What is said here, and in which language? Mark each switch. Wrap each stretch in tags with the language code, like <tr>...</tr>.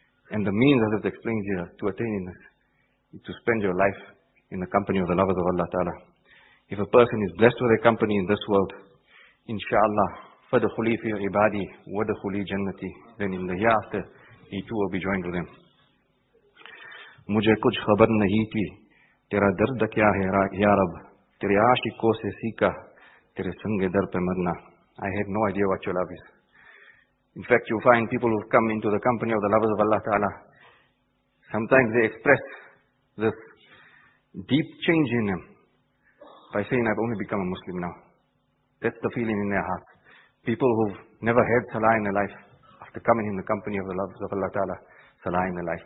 <en>And the means, as it explains here, to attaining this, is to spend your life in the company of the lovers of Allah Ta'ala. If a person is blessed with their company in this world, inshallah,</en> <ar>فَدْخُلِي فِي عِبَادِي وَدْخُلِي جَنَّتِي,</ar> <en>then in the hereafter, he too will be joined with them.</en> <ur>مُجھے کچھ خبر نہیں تھی تیرا درد کیا ہے یا رب تیرے عاشقوں سے سیکھا تیرے سنگے در پہ مرنا.</ur> <en>I had no idea what your love is. In fact, you find people who come into the company of the lovers of Allah Ta'ala, sometimes they express this deep change in them by saying, I've only become a Muslim now. That's the feeling in their heart. People who've never had salah in their life after coming in the company of the lovers of Allah Ta'ala, salah in their life.</en>